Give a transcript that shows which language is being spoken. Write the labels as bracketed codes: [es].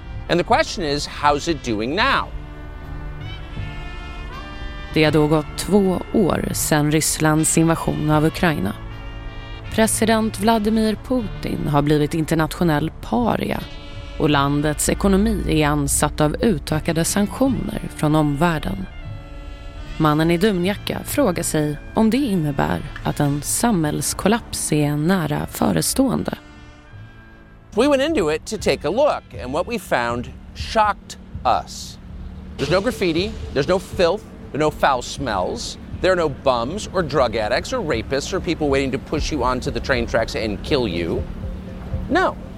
[en] And the question is, how's it doing now? [sv] Det har då gått 2 år sedan Rysslands invasion av Ukraina. President Vladimir Putin har blivit internationell paria och landets ekonomi är ansatt av utökade sanktioner från omvärlden. Mannen i dunjacka frågar sig om det innebär att en samhällskollaps är nära förestående. [en] We went into it to take a look and what we found shocked us. There's no graffiti, there's no filth, there's no foul smells. There are no bums or drug addicts or rapists or people waiting to push you onto the train tracks and kill you. No.